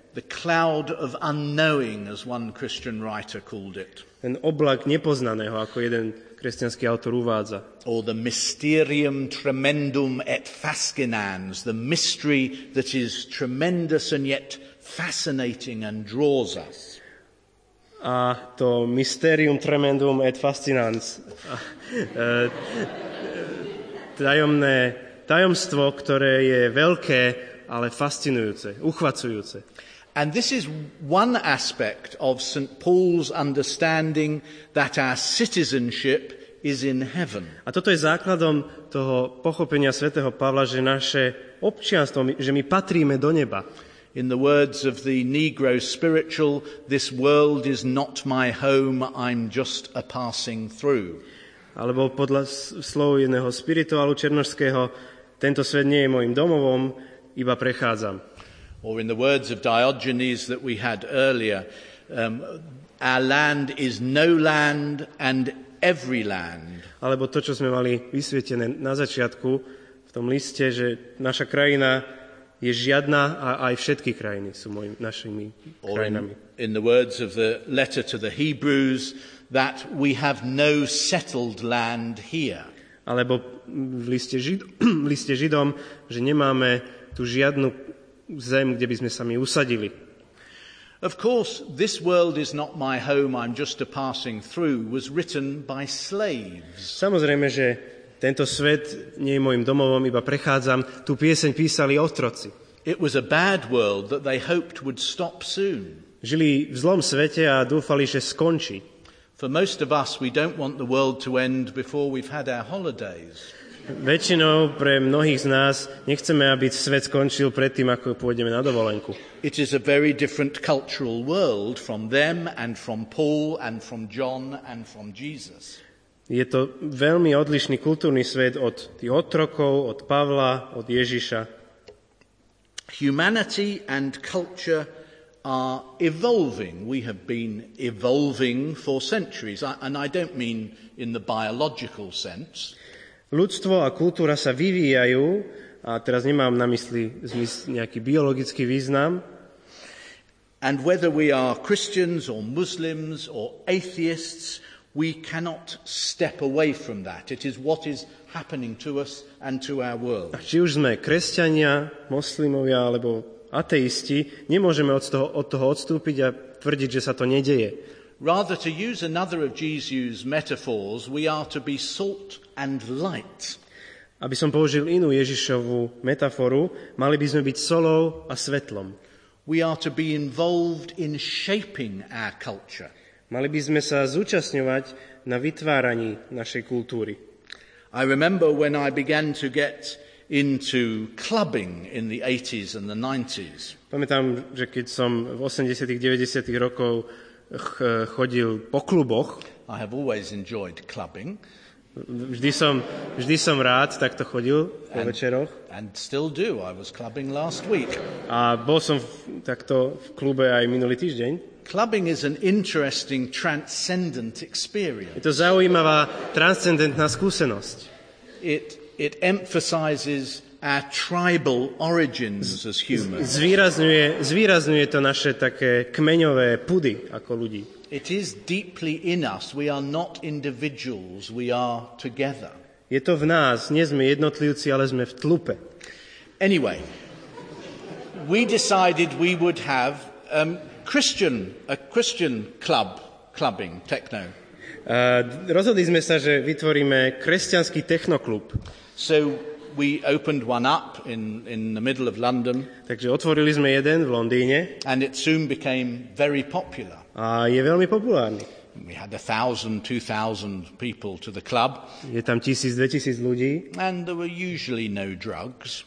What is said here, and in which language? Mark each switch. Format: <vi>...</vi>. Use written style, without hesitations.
<en>The cloud of unknowing, as one Christian writer called it.</en> <sk>Ten oblak nepoznaného, ako jeden kresťanský autor uvádza.</sk> <en>Or the</en> <la>mysterium tremendum et fascinans,</la> <en>the mystery that is tremendous and yet fascinating and draws us.</en> <sk>A to</sk> <la>mysterium tremendum et fascinans.</la> <sk>tajomstvo, ktoré je veľké, ale fascinujúce, uchvacujúce.</sk> <en>And this is one aspect of St. Paul's understanding that our citizenship is in heaven.</en> <sk>A toto je základom toho pochopenia svätého Pavla, že naše občianstvo, že my patríme do neba.</sk> <en>In the words of the Negro spiritual, this world is not my home, I'm just a passing through.</en> <sk>Alebo podľa slov jedného spirituálu černošského, tento svet nie je môjim domovom, iba prechádzam.</sk> <en>Or in the words of Diogenes that we had earlier, our land is no land and every land.</en> <sk>Alebo to, čo sme mali vysvietené na začiatku v tom liste, že naša krajina je žiadna a aj všetky krajiny sú našimi krajinami.</sk> <en>In the words of the letter to the Hebrews, that we have no settled land here.</en> <sk>Alebo v liste, liste Židom, že nemáme tu žiadnu zem, kde by sme sami usadili.</sk> <en>Of course, this world is not my home, I'm just a passing through, was written by slaves.</en> <sk>Samozrejme, že tento svet nie je môjim domovom, iba prechádzam, tú pieseň písali otroci.</sk> <en>It was a bad world that they hoped would stop soon.</en> <sk>Žili v zlom svete a dúfali, že skončí.</sk> <en>For most of us, we don't want the world to end before we've had our holidays.</en> <sk>Väčšinou pre mnohých z nás nechceme, aby svet skončil predtým, ako pôjdeme na dovolenku.</sk> <en>It is a very different cultural world from them and from Paul and from John and from Jesus.</en> <sk>Je to veľmi odlišný kultúrny svet od tých otrokov, od Pavla, od Ježiša.</sk> <en>Humanity and culture are evolving. We have been evolving for centuries, and I don't mean in the biological sense.</en> <sk>Ľudstvo a kultúra sa vyvíjajú, a teraz nemám na mysli nejaký biologický význam.</sk> <en>And whether we are Christians or Muslims or atheists, we cannot step away from that. It is what is happening to us and to our world.</en> <sk>Či už sme kresťania, moslimovia alebo ateisti, nemôžeme od toho odstúpiť a tvrdiť, že sa to nedeje.</sk> <en>Rather, to use another of Jesus' metaphors, we are to be salt and light.</en> <sk>Aby som použil inú Ježišovú metaforu, mali by sme byť solou a svetlom.</sk> <en>We are to be involved in shaping our culture.</en> <sk>Mali by sme sa zúčastňovať na vytváraní našej kultúry.</sk> <en>I remember when I began to get into clubbing in the 80s and the 90s.</en> <sk>Pamätám, že keď som v 80-tych, 90-tych rokoch chodil po kluboch.</sk> <en>I have always enjoyed clubbing.</en> <sk>Vždy som rád takto chodil po večeroch.</sk> <en>And still do. I was clubbing last week.</en> <sk>A bol som takto v klube aj minulý týždeň.</sk> <en>Clubbing is an interesting transcendent experience.</en> <sk>Je to zaujímavá transcendentná skúsenosť.</sk> <en>It emphasizes our tribal origins as humans.</en> <sk>Zvýrazňuje to naše také kmeňové pudy ako ľudí.</sk> <en>It is deeply in us. We are not individuals, we are together.</en> <sk>Je to v nás, nie sme jednotlivci, ale sme v tlupe.</sk> <en>Anyway, we decided we would have a Christian clubbing techno.</en> <sk>Rozhodli sme sa, že vytvoríme kresťanský technoklub.</sk> <en>So we opened one up in the middle of London.</en> <sk>Takže otvorili sme jeden v Londýne.</sk> <en>And it soon became very popular.</en> <sk>A je veľmi populárny.</sk> <en>We had 1,000-2,000 people to the club.</en> <sk>Je tam 1,000-2,000 ľudí.</sk> <en>And there were usually no drugs.</en>